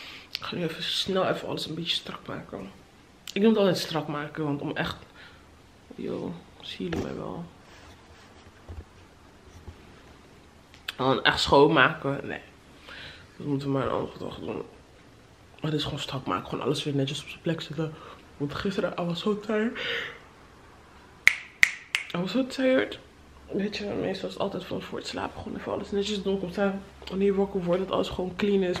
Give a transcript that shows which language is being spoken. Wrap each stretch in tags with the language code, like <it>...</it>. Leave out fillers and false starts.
<nl>Ik ga nu even snel even alles een beetje strak maken. Ik noem het altijd strak maken, want om echt... Yo, zien jullie mij wel? Dan echt schoonmaken? Nee. Dat moeten we maar een andere dag doen. Maar het is gewoon strak maken, gewoon alles weer netjes op zijn plek zetten. Want gisteren,</nl> <en>I was so tired.</en> <nl>Weet je, meestal is het altijd van voor het slapen gewoon even alles netjes doen. Komt aan wanneer je wakker wordt dat alles gewoon clean is.</nl>